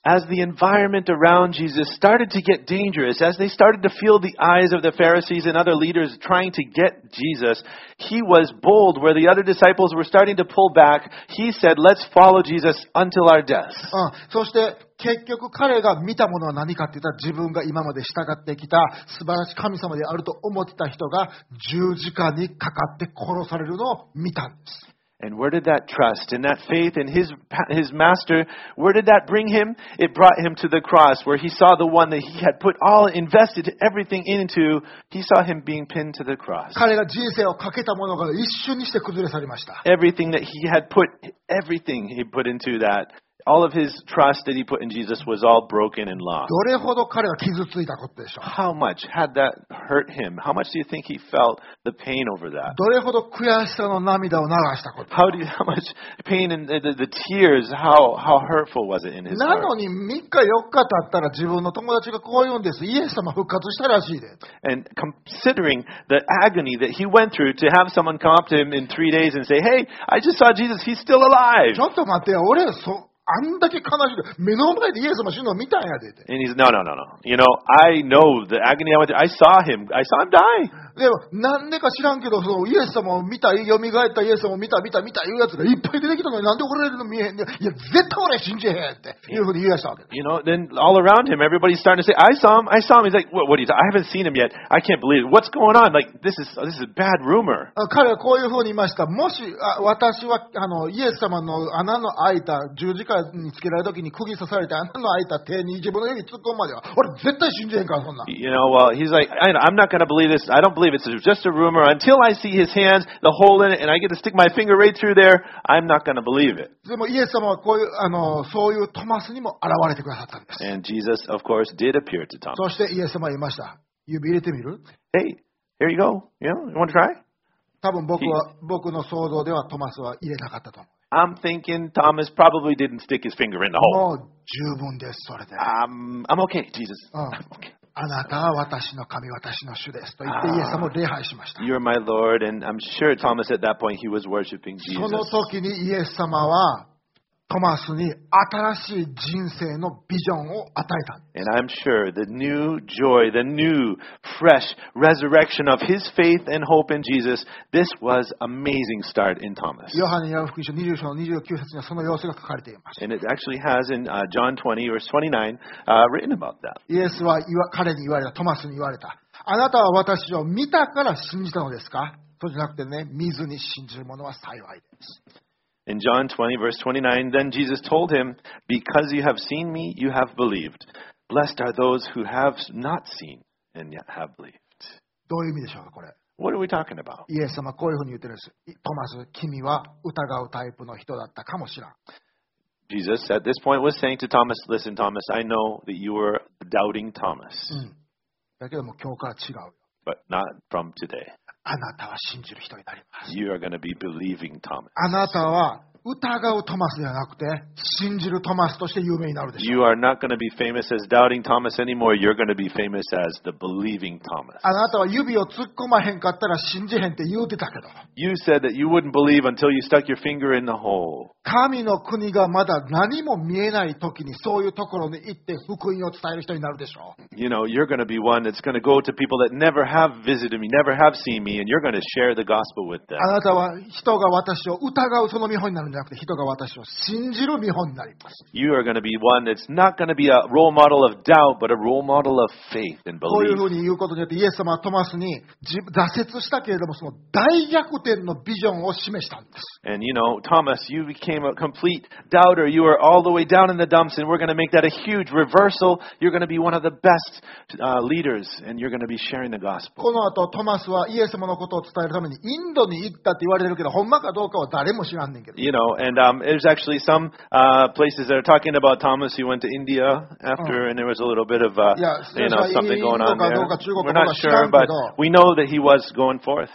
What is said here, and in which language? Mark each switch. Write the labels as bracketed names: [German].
[English] As the environment around Jesus started to get dangerous, as they started to feel the eyes of the Pharisees and other leaders trying to get Jesus, he was bold where the other disciples were starting to pull back. He said, "Let's follow Jesus until our death." [Japanese] そして結局彼が見たものは何かって言ったら自分が今まで従ってきた素晴らしい神様であると思ってた人が十字架にかかって殺されるのを見たんです。 [English] And where did that trust and that faith in his master, where did that bring him? It brought him to the cross where he saw the one that he had put all invested everything into. He saw him being pinned to the cross. [Japanese] 彼が人生をかけたものが一瞬にして崩れ去りました。 [English] Everything that he had put, everything he put into that, all of his trust that he put in Jesus was all broken and lost. [Japanese] どれほど彼が傷ついたことでしょう。 [English] How much had that hurt him? How much do you think he felt the pain over that? [Japanese] どれほど悔しさの涙を流したこと。 [English] How much pain and the tears, how hurtful was it in his heart? [Japanese] なのに3日4日経ったら自分の友達がこう言うんです。イエス様復活したらしいで。 [English] And considering the agony that he went through to have someone come up to him in 3 days and say, Hey, I just saw Jesus, he's still alive. [Japanese] ちょっと待ってよ、俺そあんだけ悲しい目の前でイエス様死ぬの見たんやでって。 [English] And he's no. You know, I know the agony I went through. I saw him die. [Japanese] でもなんでか知らんけど、そのイエス様を見た、蘇ったイエス様を見たいうやつがいっぱい出てきたのになんで怒られるの見えへんね。いや絶対俺信じへんっていうふうに言い出したわけ。 [English] You know, then all around him, everybody's starting to say, I saw him. He's like, what are you? I haven't seen him yet. I can't believe it. What's going on? Like this is a bad rumor. [Japanese] 彼はこういうふうに言いました。もし私はイエス様の穴の開いた十字架につけられた時に釘刺されて穴の開いた手に自分の指突っ込むまでは俺絶対信じへんからそんな。 [English] You know, well, he's like, I'm not gonna believe this. I don't believe it's just a rumor. Until I see his hands, the hole in it, and I get to stick my finger right through there, I'm not gonna believe it. [Japanese] でもイエス様はこういうそういうトマスにも現れてくださったんです。 [English] And Jesus, of course, did appear to Thomas. [Japanese] そしてイエス様は言いました。指入れてみる [English] ？Hey, here you go. You know, you want to try? [Japanese] 多分僕の想像ではトマスは入れなかったと思う。 [English] I'm thinking Thomas probably didn't stick his finger in the hole. [Japanese] もう十分です、それで。 [English] I'm okay, Jesus. [Japanese] あなたは私の神、私の主ですと言ってイエス様を礼拝しました。 [English] You're my Lord, and I'm sure Thomas at that point he was worshiping Jesus. [Japanese] その時にイエス様はトマスに新しい人生のビジョンを与えた。 [English] And I'm sure the new joy, the new fresh resurrection of his faith and hope in Jesus, this was amazing start in Thomas. [Japanese] ヨハネによる福音書20章の29節にはその様子が書かれています。 [English] And it actually has in John 20 verse 29 written about that. [Japanese] イエスは彼に言われた、トマスに言われた。あなたは私を見たから信じたのですか？そうじゃなくてね、見ずに信じる者は幸いです。 [English] In John 20, verse 29, then Jesus told him, because you have seen me, you have believed. Blessed are those who have not seen and yet have believed. [Japanese] どういう意味でしょうか、これ。 [English] What are we talking about? [Japanese] イエス様こういうふうに言ってるんです。トマス、君は疑うタイプの人だったかもしれん。 [English] Jesus at this point was saying to Thomas, listen Thomas, I know that you were doubting Thomas. [Japanese] だけども今日から違うよ。 [English] But not from today. [Japanese] あなたは信じる人になります。 [English] You are going to be believing Thomas. [Japanese] あなたは疑うトマスではなくて信じるトマスとして有名になるでしょう。 [English] You are not going to be famous as doubting Thomas anymore. You're going to be famous as the believing Thomas. [Japanese] あなたは指を突っ込まへんかったら信じへんって言うてたけど。 [English] You said that you wouldn't believe until you stuck your finger in the hole. [Japanese] 神の国がまだ何も見えない時にそういうところに行って福音を伝える人になるでしょう。 [English] You know, you're going to be one that's going to go to people that never have visited me, never have seen me, and you're going to share the gospel with them. [Japanese] あなたは人が私を疑うその見本になるじゃなくて人が私を信じる見本になります。 [English] You are going to be one that's not going to be a role model of doubt, but a role model of faith and belief. [Japanese] こういうふうに言うことによってイエス様はトマスに挫折したけれどもその大逆転のビジョンを示したんです。 [English] And you know, Thomas, you became a complete doubter. You are all the way down in the dumps, and we're going to make that a huge reversal. You're going to be one of the best leaders, and you're going to be sharing the gospel. [Japanese] この後トマスはイエス様のことを伝えるためにインドに行ったって言われてるけど、ほんまかどうかは誰も知らんねんけど。 [English] You know, and there's actually some places that are talking about Thomas. He went to India after, and there was a little bit of you know, something going on there. We're not sure, but we know that he was going forth.